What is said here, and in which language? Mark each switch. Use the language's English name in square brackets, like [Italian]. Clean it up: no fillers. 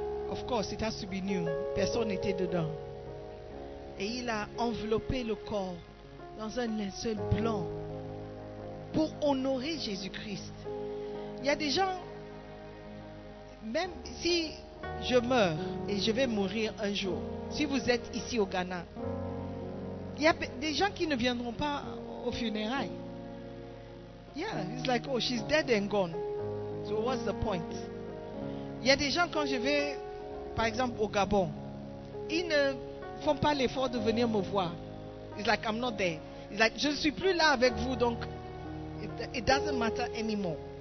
[English] Of course, [French] c'était un subinu. Personne n'était dedans. Et il a enveloppé le corps dans un linceul blanc pour honorer Jésus-Christ. Il y a des gens, même si je meurs et je vais mourir un jour, si vous êtes ici au Ghana, il y a des gens qui ne viendront pas au funérail. [English] Yeah, it's like, oh, she's dead and gone. So what's the point? [French] Il y a des gens, quand je vais, par exemple, au Gabon, ils ne font pas l'effort de venir me voir. [English] It's like, I'm not there. It's like, [French] je ne suis plus là avec vous, donc [English] it doesn't matter anymore.